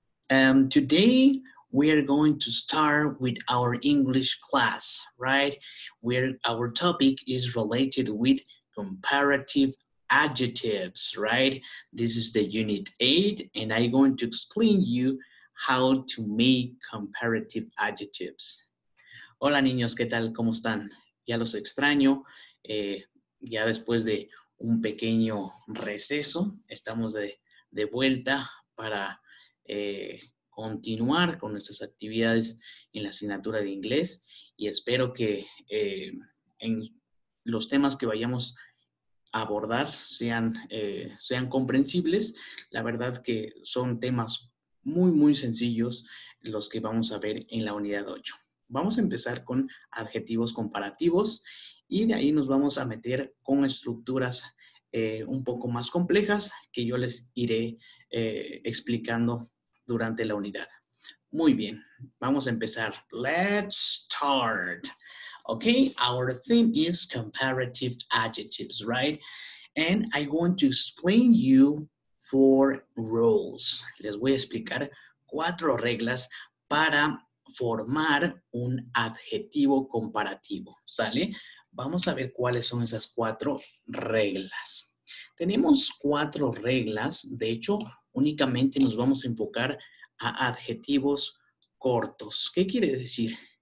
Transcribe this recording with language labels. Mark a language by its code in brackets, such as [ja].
[en] Today, we are going to start with our English class, right? Where our topic is related with comparative adjectives, right? This is the Unit 8, and I'm going to explain you how to make comparative adjectives. [es] Hola, niños. ¿Qué tal? ¿Cómo están? Ya los extraño. Ya después de un pequeño receso, estamos de vuelta para continuar con nuestras actividades en la asignatura de inglés y espero que en los temas que vayamos a abordar sean comprensibles. La verdad que son temas muy, muy sencillos los que vamos a ver en la unidad 8. Vamos a empezar con adjetivos comparativos y de ahí nos vamos a meter con estructuras un poco más complejas que yo les iré explicando durante la unidad. Muy bien, vamos a empezar. [en] Let's start. Okay, our theme is comparative adjectives, right? And I want to explain you four rules. [es] Les voy a explicar cuatro reglas para formar un adjetivo comparativo, ¿sale? Vamos a ver cuáles son esas cuatro reglas. Tenemos cuatro reglas, de hecho, únicamente nos vamos a enfocar a adjetivos cortos. ¿Qué quiere decir?